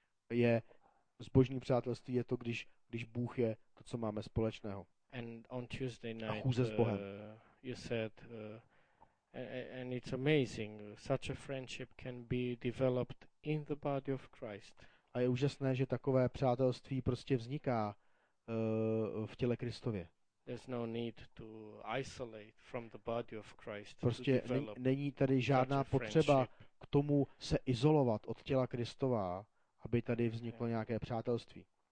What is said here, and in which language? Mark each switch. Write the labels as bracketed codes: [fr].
[cs] Je zbožní přátelství je to, když Bůh je to, co máme společného. [en] And on Tuesday night, [cs] a chůze s Bohem. [en] You said, and it's amazing, such a friendship can be developed in the body of Christ. [cs] A je úžasné, že takové přátelství prostě vzniká v těle Kristově. [en] There's no need to isolate from the body of Christ. [cs] Prostě není tady žádná potřeba k tomu se izolovat od těla Kristova, aby tady vzniklo nějaké přátelství.